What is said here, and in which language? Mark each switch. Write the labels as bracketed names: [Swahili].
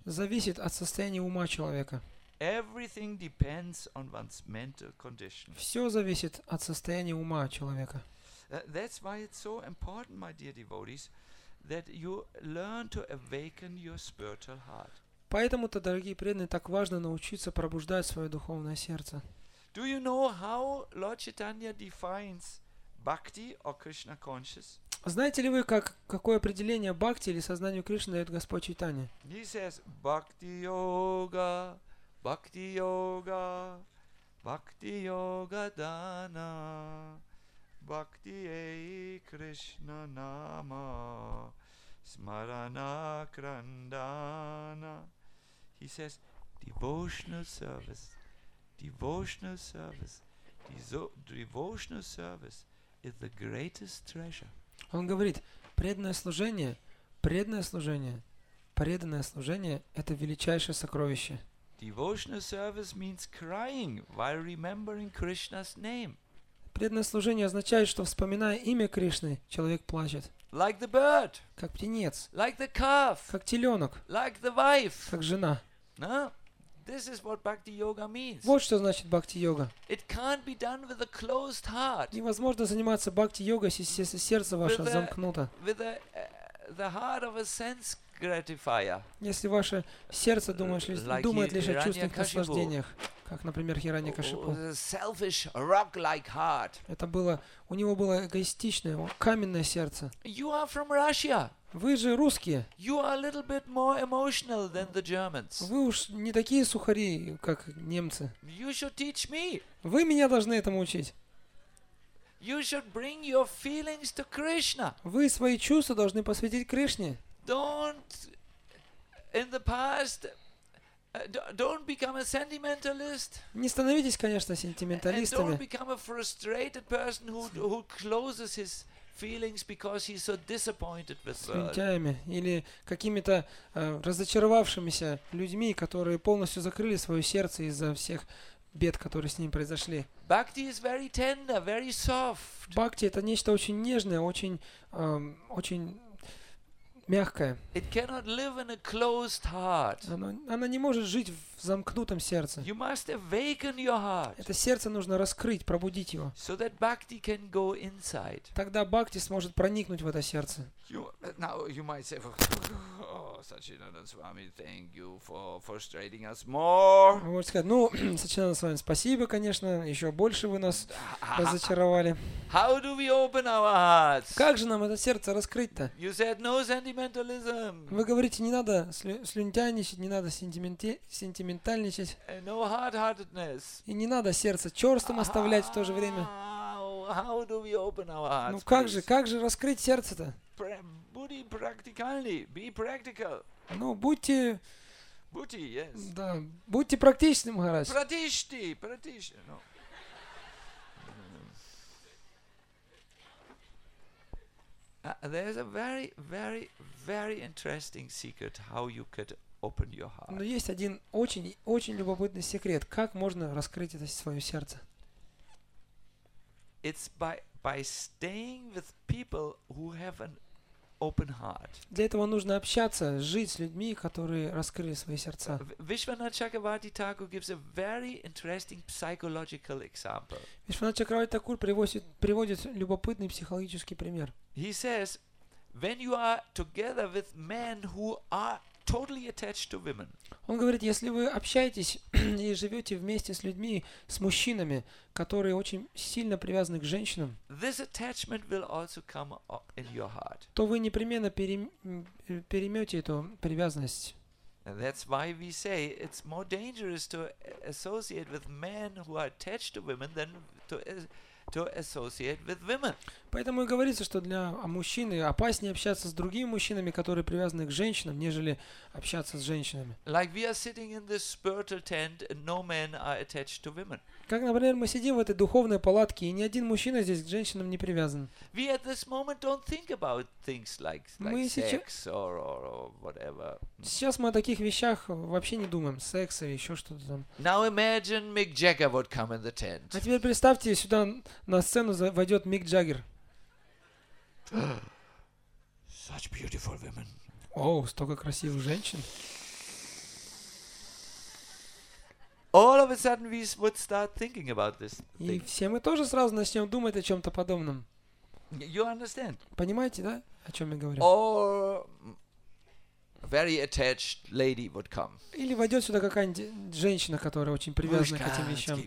[Russian] Зависит от состояния ума человека. [English] Everything depends on one's mental condition. [Russian] Все зависит от состояния ума человека. [English] That's why it's so important, my dear devotees, that you learn to awaken your spiritual heart. [Russian] Поэтому-то, дорогие преданные, так важно научиться пробуждать свое духовное сердце. [English] Do you know how Lord Chaitanya defines bhakti or Krishna consciousness? [Russian] Знаете ли вы, какое определение бхакти или сознанию Кришны дает Господь Чайтанья? [English] He says bhakti yoga, bhakti yoga, bhakti yoga dana, [Bangla] bhakti ei Krishna nama, smarana krandana. [English] He says devotional service. Devotional service, devotional service is the greatest treasure. [Russian] Он говорит, преданное служение – это величайшее сокровище. [English] Devotional service means crying while remembering Krishna's name. [Russian] Преданное служение означает, что вспоминая имя Кришны, человек плачет. [English] Like the bird. [Russian] Как птенец. [English] Like the calf. [Russian] Как теленок. [English] Like the wife. [Russian] Как жена. [English] No? This is what bhakti yoga means. [Russian] Вот что значит бхакти йога. [English] It can't be done with a closed heart. [Russian] Невозможно заниматься бхакти йогой, если сердце ваше замкнуто. [English] With the heart of a sense gratifier. [Russian] Если ваше сердце думает лишь о чувственных наслаждениях, как, например, Хираньякашипу. [English] With a selfish rock-like heart. [Russian] Это было, у него было эгоистичное, каменное сердце. [English] You are from Russia. [Russian] Вы же русские. [English] You are a little bit more emotional than the Germans. [Russian] Вы уж не такие сухари, как немцы. [English] You should teach me. [Russian] Вы меня должны этому учить. [English] You should bring your feelings to Krishna. [Russian] Вы свои чувства должны посвятить Кришне. [English] Don't become a sentimentalist. [Russian] Не становитесь, конечно, сентименталистами. [English] And don't become a frustrated person who closes his feelings because he's so disappointed with her. [Russian] Лентяями или какими-то разочаровавшимися людьми, которые полностью закрыли свое сердце из-за всех бед, которые с ним произошли. [English] Bhakti is very tender, very soft. [Russian] Бхакти — это нечто очень нежное, очень очень мягкое. [English] It cannot live in a closed heart. [Russian] Она не может жить в замкнутом сердце. [English] You must awaken your heart. [Russian] Это сердце нужно раскрыть, пробудить его. [English] So that bhakti can go inside. [Russian] Тогда бхакти сможет проникнуть в это сердце. [English] Now you might say, oh, Sachinanda Swami, thank you for frustrating us more. [Russian] Вы можете сказать, ну, Сачинанда Свами, спасибо, конечно, еще больше вы нас разочаровали. [English] How do we open our hearts? [Russian] Как же нам это сердце раскрыть-то? [English] You said no sentimentalism. [Russian] Вы говорите, не надо слюнтяничать, не надо сентиментировать. [English] No hard-heartedness. [Russian] И не надо сердце черствым оставлять в то же время. [English] How do we open our hearts? [Russian] Ну как же, как же раскрыть сердце-то? Будьте практикальны, [English] be practical. [Russian] Ну будьте. Будьте, [English] yes. [Russian] Да, будьте практичным, Махарадж. Практичный, практичный. [English] No. There's a very, very, very interesting secret how you could. [Russian] Но есть один очень-очень любопытный секрет, как можно раскрыть это свое сердце. [English] It's by staying with people who have an open heart. [Russian] Для этого нужно общаться, жить с людьми, которые раскрыли свои сердца. [English] Вишванатха Чакраварти Тхакур gives a very interesting psychological example. [Russian] Вишванатха Чакраварти Тхакур приводит любопытный психологический пример. [English] He says, when you are together with men who are totally attached to women. [Russian] Он говорит, если вы общаетесь и живете вместе с людьми, с мужчинами, которые очень сильно привязаны к женщинам, [English] this attachment will also come in your heart. [Russian] То вы непременно переймете эту привязанность. [English] And that's why we say it's more dangerous to associate with men who are attached to women than to associate with women. [Russian] Поэтому и говорится, что для мужчины опаснее общаться с другими мужчинами, которые привязаны к женщинам, нежели общаться с женщинами. [English] Like we are sitting in this spiritual tent, and no men are attached to women. [Russian] Как, например, мы сидим в этой духовной палатке, и ни один мужчина здесь к женщинам не привязан. [English] We at this moment don't think about things like sex or whatever. [Russian] Сейчас мы о таких вещах вообще не думаем, секс или еще что-то там. [English] Now imagine Mick Jagger would come in the tent. [Russian] А теперь представьте, сюда на сцену войдет Мик Джаггер. [English] Such beautiful women. [Russian] Oh, столько красивых женщин. [English] All of a sudden we would start thinking about this. [Russian] И все мы тоже сразу начнем думать о чем-то подобном. [English] You understand? [Russian] Понимаете, да, о чем я говорю? [English] Or very attached lady would come. [Russian] Или войдет сюда какая-нибудь женщина, которая очень привязана к этим вещам.